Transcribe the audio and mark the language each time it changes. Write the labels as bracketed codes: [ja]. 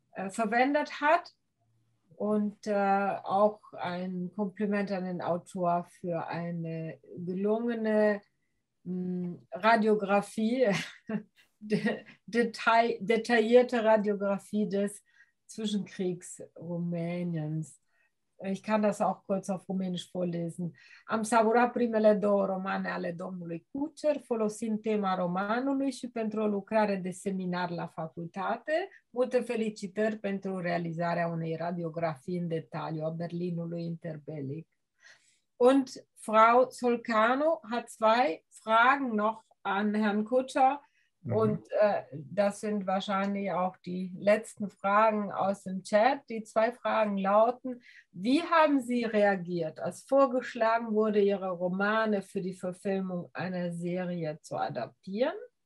[de] verwendet hat und auch ein Kompliment an den Autor für eine gelungene Radiografie, detaillierte Radiografie des Zwischenkriegs Rumäniens. Ich kann das auch kurz auf Rumänisch vorlesen. [ro] Am savurat primele două romane ale domnului Kutscher, folosind tema romanului și pentru o lucrare de seminar la facultate. Multe felicitări pentru realizarea unei radiografii în detaliu a Berlinului interbelic. [de] Und Frau Solcano hat zwei Fragen noch an Herrn Kutscher und das sind wahrscheinlich auch die letzten Fragen aus dem Chat. Die zwei Fragen lauten, wie haben Sie reagiert, als vorgeschlagen wurde, Ihre Romane für die Verfilmung einer Serie zu adaptieren?